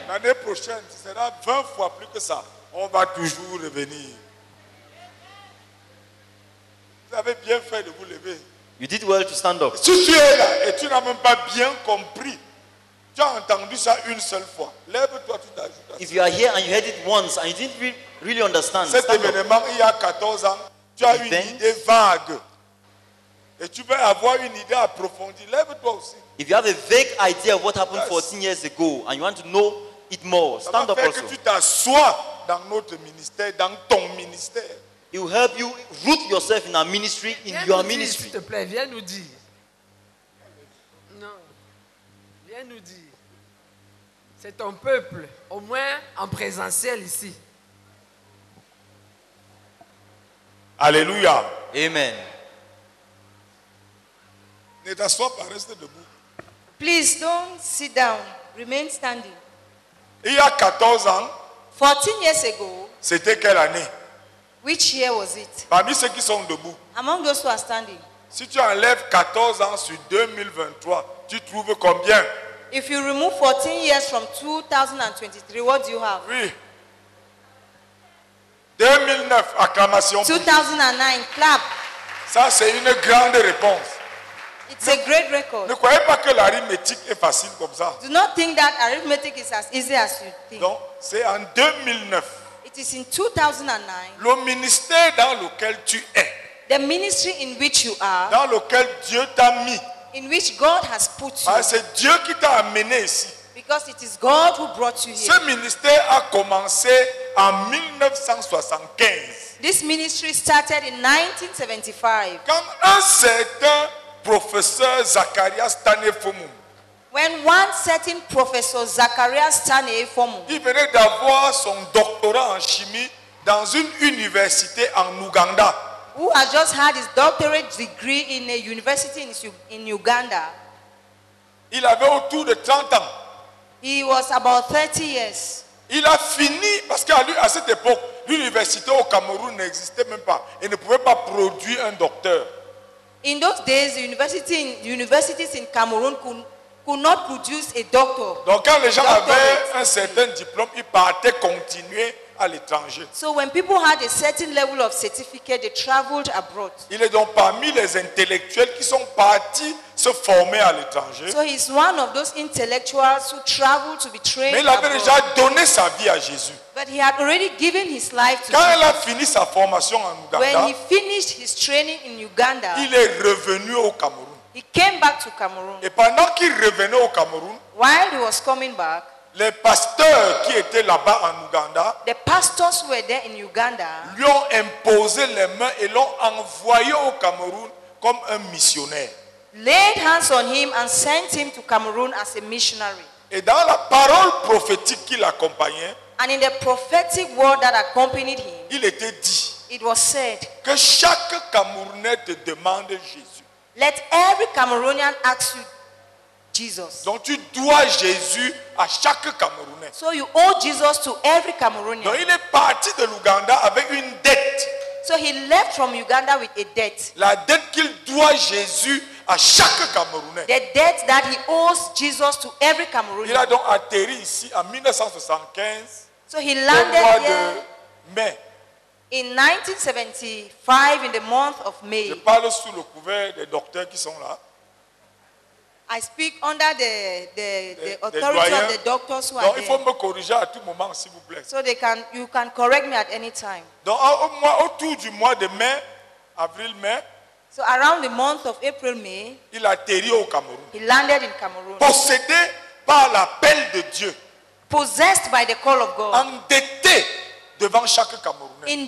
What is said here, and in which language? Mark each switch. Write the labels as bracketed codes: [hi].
[fr] L'année prochaine, ce sera 20 fois plus que ça. On va toujours revenir. Vous avez bien fait de vous lever. [en] You did well to stand up. [fr] Si tu es là et tu n'as même pas bien compris. Tu as entendu ça une seule fois. Lève-toi, tu t'ajoutes. [en] If you are here and you heard it once and you didn't really understand. [fr] Cet événement, il y a 14 ans, tu as une idée vague. Et tu veux avoir une idée approfondie. Lève-toi aussi. [en] If you have a vague idea of what happened 14 years ago and you want to know it more, stand up also. [fr] Ça va faire que tu t'assoies dans notre ministère, dans ton ministère. [en] It will help you root yourself in our ministry, in your ministry. [fr] S'il te plaît, viens nous dire. Nous dit, c'est ton peuple, au moins en présentiel ici. Alléluia. Amen. Ne t'assois pas, reste debout. [en] Please don't sit down, remain standing. [fr] Il y a 14 ans. [en] 14 years ago. [fr] C'était quelle année? [en] Which year was it? [fr] Parmi ceux qui sont debout. [en] Among those who are standing. [fr] Si tu enlèves 14 ans sur 2023, tu trouves combien? [en] If you remove 14 years from 2023, what do you have? [fr] Oui. 2009, acclamation. [en] 2009, clap. [fr] Ça, c'est une grande réponse. [en] It's a great record. [fr] Ne croyez pas que l'arithmétique est facile comme ça. [en] Do not think that arithmetic is as easy as you think. [fr] Donc, c'est en 2009. [en] It is in 2009. [fr] Le ministère dans lequel tu es. [en] The ministry in which you are. [fr] Dans lequel Dieu t'a mis. [en] In which God has put you. [fr] Ah, c'est Dieu qui t'a amené ici. [en] Because it is God who brought you here. [fr] Ce ministère a commencé en 1975. [en] This ministry started in 1975. [fr] Quand un certain professeur Zacharias Tanefomu. [en] When one certain professor Zacharias Tanefomu. [fr] Il venait d'avoir son doctorat en chimie dans une université en Ouganda. [en] Who has just had his doctorate degree in a university in Uganda. [fr] Il avait autour de 30 ans. [en] He was about 30 years. [fr] Il a fini, parce qu'à lui, à cette époque, l'université au Cameroun n'existait même pas. Il ne pouvait pas produire un docteur. [en] In those days, universities in Cameroon could not produce a doctor. [fr] Donc quand les gens avaient un certain diplôme, ils partaient continuer. À l'étranger. [en] So when people had a certain level of certificate, they traveled abroad. [fr] Il est donc parmi les intellectuels qui sont partis se former à l'étranger. [en] So he's one of those intellectuals who traveled to be trained. [fr] Mais il avait [en] abroad. [fr] Déjà donné sa vie à Jésus. [en] But he had already given his life to [fr] Quand [en] Jesus. [fr] Il a fini sa formation en Uganda, [en] when he finished his training in Uganda, [fr] il est revenu au Cameroun. [en] He came back to Cameroon. [fr] Et pendant qu'il revenait au Cameroun, [en] while he was coming back. [fr] Les pasteurs qui étaient là-bas en Ouganda, [en] the pastors were there in Uganda, [fr] lui ont imposé les mains et l'ont envoyé au Cameroun comme un missionnaire. [en] laid hands on him and sent him to Cameroon as a missionary. [fr] Et dans la parole prophétique qui l'accompagnait, [en] and in the prophetic word that accompanied him, [fr] il était dit, [en] it was said, [fr] que chaque Camerounais te demande Jésus. [en] Let every Cameroonian ask you Jesus. [fr] Donc tu dois Jésus à chaque Camerounais. [en] So you owe Jesus to every Cameroonian. [fr] Donc il est parti de l'Ouganda avec une dette. [en] So he left from Uganda with a debt. [fr] La dette qu'il doit Jésus à chaque Camerounais. [en] The debt that he owes Jesus to every Cameroonian. [fr] Il a donc atterri ici en 1975. [en] So he landed [fr] au mois de mai. [en] In 1975, in the month of May. [fr] Je parle sous le couvert des docteurs qui sont là. [en] I speak under the authority of the doctors who [fr] donc, [en] are [fr] il faut me corriger à tout moment, s'il vous plaît. [en] So they can, you can correct me at any time. [fr] Donc au mois, autour du mois de mai, avril, mai. [en] So around the month of April, May. [fr] Il atterrit au Cameroun. [en] He landed in Cameroon. [fr] Possédé par l'appel de Dieu. [en] Possessed by the call of God. [fr] Endetté devant chaque Camerounais.